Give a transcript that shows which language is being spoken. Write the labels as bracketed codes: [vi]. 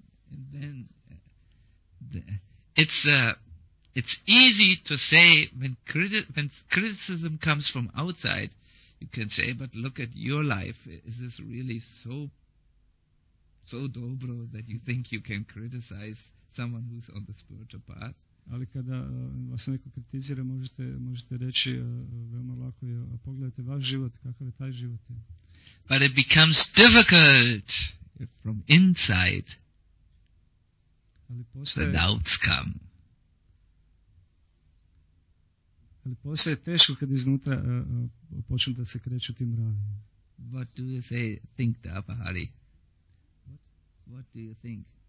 [en] And then it's easy to say when criticism comes from outside, you can say, but look at your life. Is this really so dobro that you think you can criticize someone who's on the spiritual path? [hr] Ali kada vas neko kritizira, možete reći veoma lako, pogledajte vaš život, kakav je taj život. [en] But it becomes difficult if from inside the doubts come. [hr] Ali postaje teško kad iznutra počnu da se kreću ti mravi. [en] What do you say, think, Dapa Hari? What do you think?